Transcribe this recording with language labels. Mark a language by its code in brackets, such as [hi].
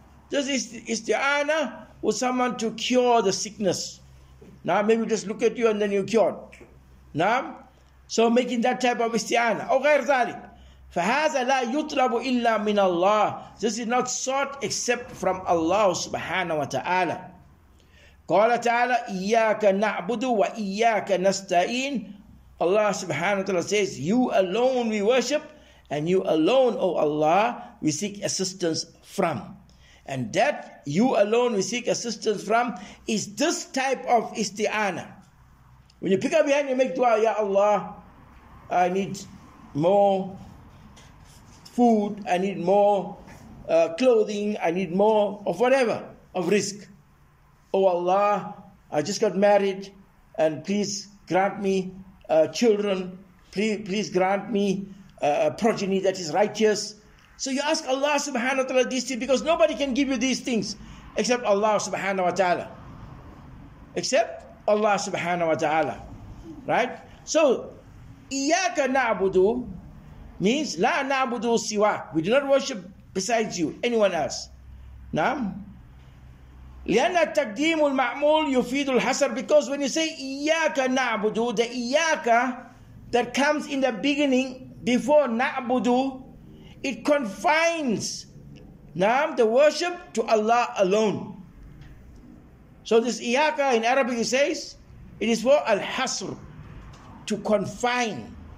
[en] This is isti'ana with someone to cure the sickness. Now maybe just look at you and then you're cured. Now, so making that type of isti'ana. [ar] أو غير ذلك. فَهَذَا لَا يُطْلَبُ إِلَّا مِنَ اللَّهِ. [en] This is not sought except from Allah subhanahu wa ta'ala. [ar] قال تعالى إياك نعبد وإياك نستعين. [en] Allah subhanahu wa ta'ala says, you alone we worship, and you alone, O Allah, we seek assistance from. And that you alone we seek assistance from is this type of isti'ana. When you pick up your hand, you make dua, Ya Allah, I need more food, I need more clothing, I need more of whatever, of risk. Oh Allah, I just got married and please grant me children. Please grant me a progeny that is righteous. So you ask Allah subhanahu wa ta'ala these things because nobody can give you these things except Allah subhanahu wa ta'ala. Except Allah subhanahu wa ta'ala. Right? [ar] So, إِيَّاكَ نَعْبُدُ means لَا نَعْبُدُ siwa. [en] We do not worship besides you, anyone else. [ar] Naam? لأن التقديم المعمول يفيد الحصر. [en] Because when you say [ar] إياك نعبدو, [en] the إياك that comes in the beginning before نعبدو, it confines نعم, the worship to Allah alone. So this إياك in Arabic it says it is for الحصر, to confine.